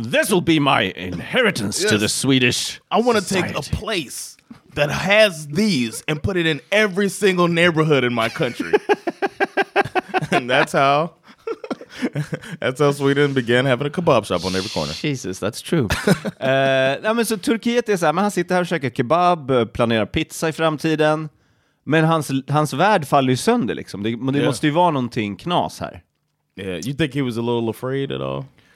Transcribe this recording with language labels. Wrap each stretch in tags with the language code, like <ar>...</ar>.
<en>This will be my inheritance to the Swedish I want to take a place that has these and put it in every single neighborhood in my country. And that's how Sweden began having a kebab shop on every corner. Jesus, that's true.</en> <sv>Så Turkiet är så här, men han sitter här och käkar kebab, planerar pizza i framtiden. Men hans värld faller ju sönder liksom. Det måste ju vara någonting knas här.</sv> <en>Yeah, you think he was a little afraid at all?</en>